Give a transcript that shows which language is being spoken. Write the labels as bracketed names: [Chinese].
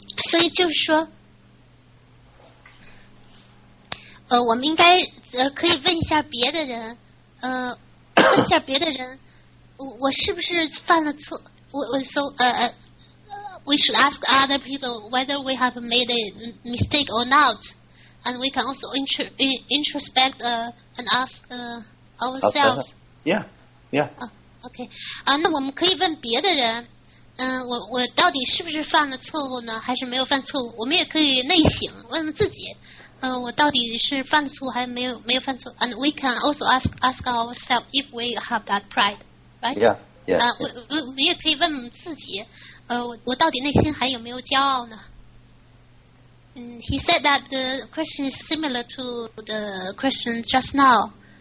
[Chinese] 所以就是说我们应该可以问一下别的人，问一下别的人，我是不是犯了错？ [English] We should ask other people whether we have made a mistake or not, and we can also introspect and ask ourselves. Okay. [Chinese] 那我们可以问别的人，我到底是不是犯了错误呢？还是没有犯错误？我们也可以内省，问问自己。我到底是犯错还没有犯错 ？ [English] And we can also ask ourselves if we have that pride, right? Yeah. [Chinese] 我也可以问自己，我到底内心还有没有骄傲呢？ [English] He said that the question is similar to the question just now.